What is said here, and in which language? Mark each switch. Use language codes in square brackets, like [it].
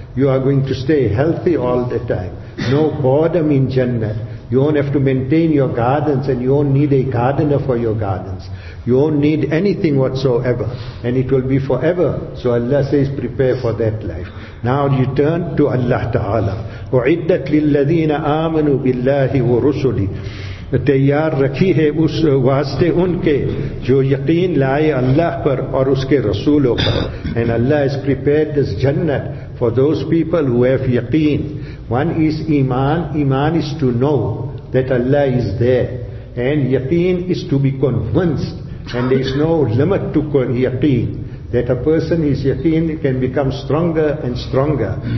[en] You are going to stay healthy all the time. No boredom in Jannat. You won't have to maintain your gardens, and you won't need a gardener for your gardens. You won't need anything whatsoever, and it will be forever. So Allah says, prepare for that life. Now you turn to Allah Ta'ala. [ar] وَعِدَّتْ لِلَّذِينَ آمَنُوا بِاللَّهِ وَرُسُلِهِ [ur] تیار رکھی ہے اس واسطے ان کے جو یقین لائے اللہ پر اور اس کے رسولوں پر. [en] And Allah has prepared this Jannat for those people who have yaqeen. One is iman. Iman is to know that Allah is there. And yaqeen is to be convinced. And there is no limit to yaqeen. That a person is yaqeen can become stronger and stronger.